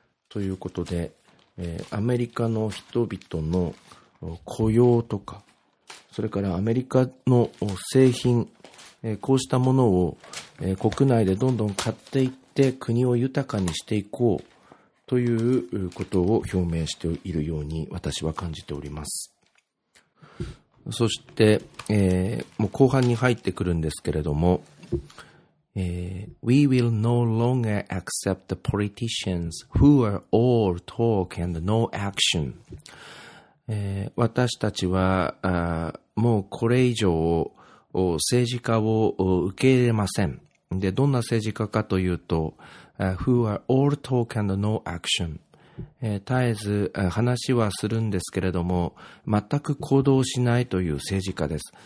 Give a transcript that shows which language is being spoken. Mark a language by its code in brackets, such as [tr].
[ja] ということで、アメリカの人々の雇用とか、それからアメリカの製品、こうしたものを国内でどんどん買っていって国を豊かにしていこう。ということを表明しているように私は感じております。そして、もう後半に入ってくるんですけれども、 [en] We will no longer accept the politicians who are all talk and no action、 [ja] 私たちはもうこれ以上政治家を受け入れません。で、どんな政治家かというと、 [en] who are all talk and no action、 [ja] 絶えず話はするんですけれども全く行動しないという政治家です。